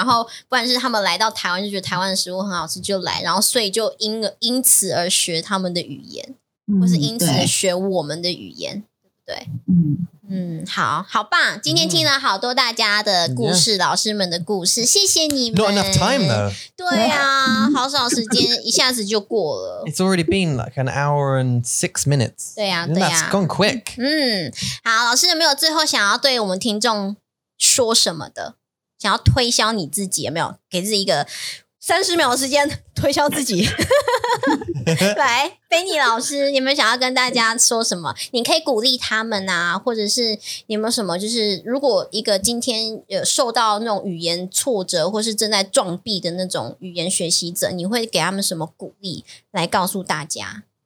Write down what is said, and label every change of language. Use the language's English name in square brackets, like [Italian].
[Chinese] 然后不然是他们来到台湾就觉得台湾的食物很好吃就来，然后所以就因此而学他们的语言，或是因此而学我们的语言，对不对？好好棒，今天听了好多大家的故事，老师们的故事，谢谢你们。 [English] Not enough time though. [Chinese] 对啊，好少时间一下子就过了。 [English] It's already been like an hour and 6 minutes. [Chinese] 对啊， [English] That's gone quick. [Chinese] 好，老师有没有最后想要对我们听众说什么的？想要推销你自己有没有？给自己一个30秒的时间推销自己。来，Benny 老师，你们想要跟大家说什么？你可以鼓励他们啊，或者是你有没有什么？就是如果一个今天有受到那种语言挫折，或是正在撞壁的那种语言学习者，你会给他们什么鼓励来告诉大家？